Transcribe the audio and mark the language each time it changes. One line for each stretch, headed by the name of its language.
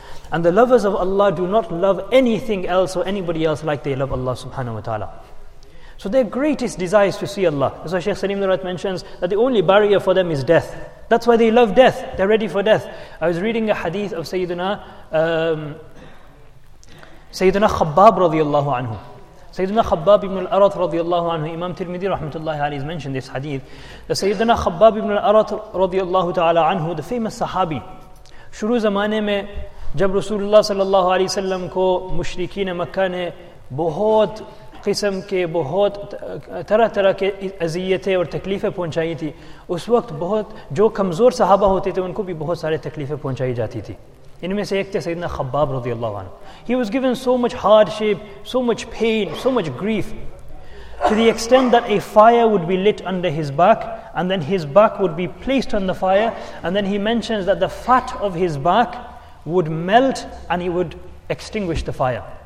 English: And the lovers of Allah do not love anything else or anybody else like they love Allah subhanahu wa ta'ala. So their greatest desire is to see Allah. That's why Shaykh Salim Durat mentions that the only barrier for them is death. That's why they love death, they're ready for death. I was reading a hadith of Sayyidina
Arabic: سيدنا خباب رضي الله عنه. سيدنا خباب بن الأرط رضي الله عنه. إمام ترمذي رحمة الله عليه
English: mentioned this hadith.
Arabic: The سيدنا خباب بن الأرط رضي الله تعالى عنه,
English: the famous
Arabic: صحابي.
Urdu: شروع زمانے میں جب رسول اللہ صلی اللہ علیہ وسلم کو مشرکین مکہ نے بہت قسم کے بہت طرح طرح کے اذیتیں اور تکلیفیں پہنچائی تھی, اس وقت بہت جو کمزور صحابہ ہوتے تھے ان کو بھی بہت سارے تکلیفیں پہنچائی جاتی تھی. ان میں سے ایک تھے سیدنا خباب رضی اللہ عنہ.
English: He was given so much hardship, so much pain, so much grief to the extent that a fire would be lit under his back, and then his back would be placed on the fire, and then he mentions that the fat of his back would melt and he would extinguish the fire.